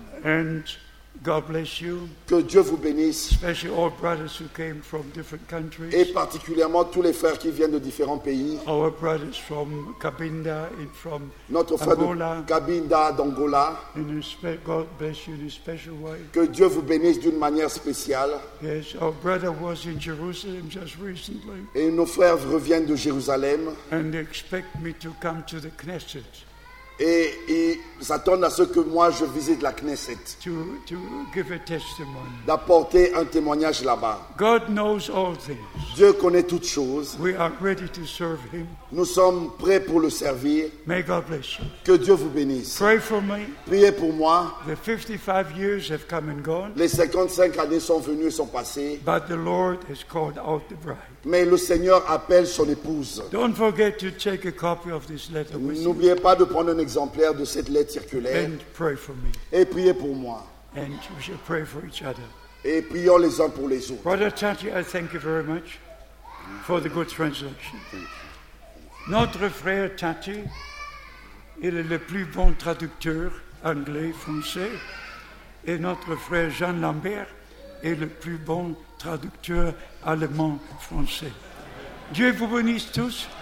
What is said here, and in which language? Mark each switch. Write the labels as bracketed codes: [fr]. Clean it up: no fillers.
[en] And God bless you. [fr] Que Dieu vous bénisse. [en] Especially all brothers who came from different countries. [fr] Et particulièrement tous les frères qui viennent de différents pays. [en] Our brothers from Cabinda and from [fr] Notre frère [en] Angola. [fr] De Cabinda d'Angola. [en] And God bless you in a special way. [fr] Que Dieu vous bénisse d'une manière spéciale. [en] Yes, our brother was in Jerusalem just recently. [fr] Et nos frères reviennent de Jérusalem. [en] And they expect me to come to the Knesset. [fr] Et ils s'attendent à ce que moi je visite la Knesset. [en] To give a testimony. [fr] D'apporter un témoignage là-bas. [en] God knows all things. [fr] Dieu connaît toutes choses. [en] We are ready to serve him. [fr] Nous sommes prêts pour le servir. [en] May God bless you. [fr] Que Dieu vous bénisse. [en] Pray for me. [fr] Priez pour moi. [en] The 55 years have come and gone. [fr] Les 55 années sont venues et sont passées. [en] But the Lord has called out the bride. [fr] Mais le Seigneur appelle son épouse. [en] Don't forget to take a copy of this letter with you. [fr] N'oubliez pas de prendre un exemplaire de cette lettre circulaire. [en] And pray for me. [fr] Et priez pour moi. [en] And we shall pray for each other. [fr] Et prions les uns pour les autres. [en] Brother Tati, I thank you very much for the good translation. [fr] Notre frère Tati, il est le plus bon traducteur anglais-français. Et notre frère Jean Lambert est le plus bon traducteur allemand-français. Dieu vous bénisse tous.